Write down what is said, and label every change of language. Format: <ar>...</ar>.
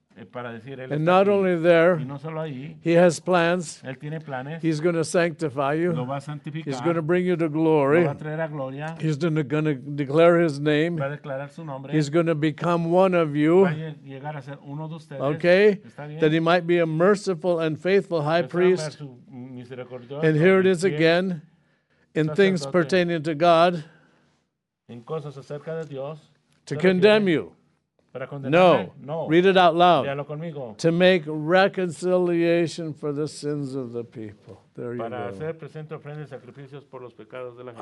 <es>Para decir, él</es> <en>and not</en> <es>aquí.</es> <en>Only there,</en> <es>no solo ahí,</es> <en>he has plans.</en> <es>Él tiene planes.</es> <en>He's going to sanctify you.</en> <es>Lo va a santificar.</es> <en>He's going to bring you to glory.</en> <es>Lo va a traer a gloria.</es> <en>He's going to declare his name.</en> <es>Va a declarar su nombre.</es> <en>He's going to become one of you.</en> <es>Va a llegar a ser uno de ustedes.</es> <en>Okay?</en> <es>Está bien.</es> <en>That he might be a merciful and faithful high priest. And here it is again, in things pertaining to God,</en> <es>en cosas acerca de Dios,</es> <en>to condemn you. No.</en> <es>No.</es> <en>Read it out loud.</en> <es>Léalo conmigo.</es> <en>To make reconciliation for the sins of the people. There you</en> <es>para</es> <en>go.</en> <es>Hacer presente ofrendas y sacrificios por los pecados de la gente.</es>